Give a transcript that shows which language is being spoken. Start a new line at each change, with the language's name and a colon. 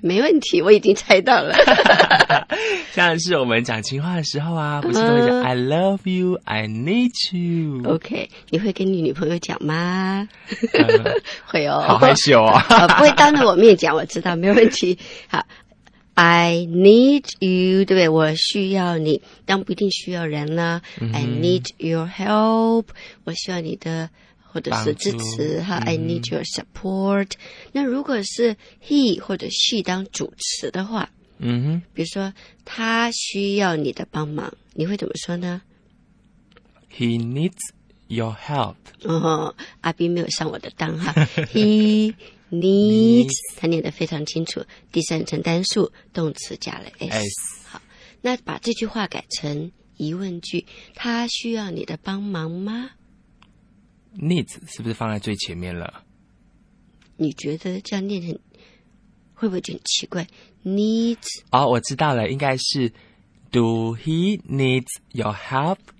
Chinese: 没问题，我已经猜到了。像是我们讲情话的时候啊，不是都会讲
English: I love you, I need you。
Chinese: OK， 你会跟你女朋友讲吗？会哦。好害羞哦。不会当着我面讲，我知道，没问题。好。
English: I need you,
Chinese: 对不对？我需要你，但不一定需要人呢。
English: 嗯、I need your help,
Chinese: 我需要你的或者是支持哈、
English: 嗯。I need your support.
Chinese: 那如果是 he 或者 she 当主持的话，嗯哼，比如说他需要你的帮忙，你会怎么说呢
English: ？He needs your help.
Chinese: 哦，阿B没有上我的当哈。
English: He needs，
Chinese: 他念得非常清楚，第三人称单数，动词加了 s。好，那把这句话改成疑问句，他需要你的帮忙吗？Needs 是不是放在最前面了？你觉得这样念很会不会很奇怪 ？Needs 哦，我知道了，应该是
English: Do he needs your help？